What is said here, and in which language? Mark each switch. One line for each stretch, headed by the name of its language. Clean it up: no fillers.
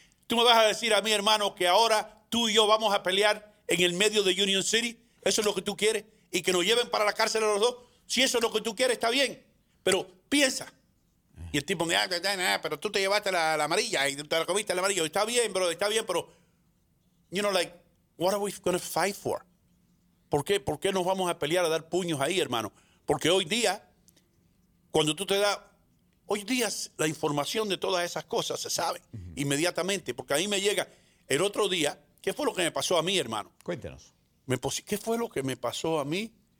Spanish: ¿Tú me vas a decir a mí, hermano, que ahora tú y yo vamos a pelear en el medio de Union City? ¿Eso es lo que tú quieres? ¿Y que nos lleven para la cárcel a los dos? Si eso es lo que tú quieres, está bien. Pero piensa. Y el tipo me dice, pero tú te llevaste la amarilla y te la comiste la amarilla. Está bien, bro, está bien, pero...
English: You know, like, what are we going to fight for?
Spanish: ¿Por qué nos vamos a pelear a dar puños ahí, hermano? Porque hoy día, cuando tú te das... Hoy día la información de todas esas cosas se sabe inmediatamente, porque ahí me llega el otro día, ¿qué fue lo que me pasó a mí, hermano? Cuéntanos. ¿Qué fue lo que me pasó a mí?